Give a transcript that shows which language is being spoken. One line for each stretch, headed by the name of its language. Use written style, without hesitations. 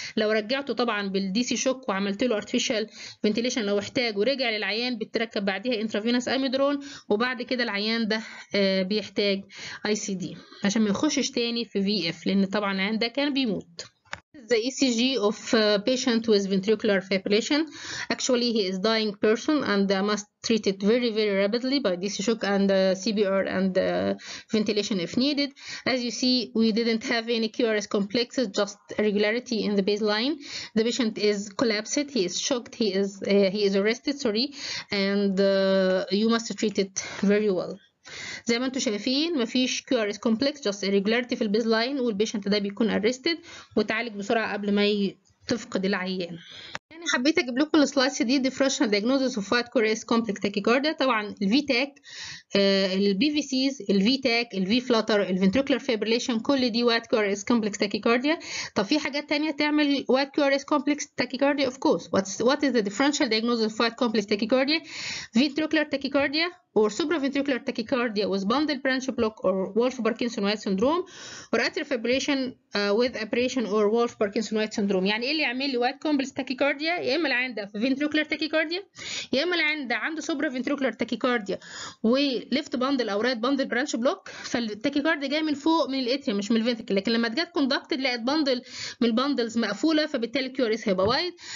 Arabic: لو رجعته طبعا بالدي سي شوك وعملت له ارتفيشال فنتيليشن لو احتاج ورجع للعيان بتركب بعديها انترافينوس اميدرون وبعد كده العيان ده بيحتاج اي سي دي عشان ما يخشش تاني في في اف لان طبعا العيان ده كان بيموت.
English: The ECG of patient with ventricular fibrillation. Actually, he is dying person and must treat it very, very rapidly by DC shock and CPR and ventilation if needed. As you see, we didn't have any QRS complexes, just irregularity in the baseline. The patient is collapsed. He is shocked. He is arrested. Sorry, and you must treat it very well.
Arabic: زي ما انتوا شايفين مفيش QRS complex
English: just irregularity
Arabic: في البيزلاين والبيشنت ده بيكون arrested وتعالج بسرعة قبل ما تفقد العيان. يعني حبيت اجيب لكم السلايس دي
English: Differential diagnosis of wide QRS complex tachycardia.
Arabic: طبعا الفي تاك البي في سيز الفي تاك الفي فلاتر الفنتريكولار فيبريليشن كل دي وايت كوريس كومبلكس تاكيكارديا. طب في حاجات ثانيه تعمل وايت كوريس كومبلكس تاكيكارديا؟ اوف كورس.
English: What is the differential diagnosis of wide complex tachycardia? Ventricular tachycardia or supraventricular tachycardia with bundle branch block or Wolff-Parkinson-White syndrome or atrial fibrillation with aberration or Wolff-Parkinson-White syndrome.
Arabic: يعني ايه اللي يعمل لي white complex tachycardia؟ يا اما العيان ده في ventricular tachycardia يا اما العيان ده عنده supraventricular tachycardia و left bundle او right bundle branch block. فالtachycardia جايه من فوق من الاتريا مش من الventricle، لكن لما جت conducted لقت bundle من البندلز مقفوله فبالتالي QRS هيبقى وايد.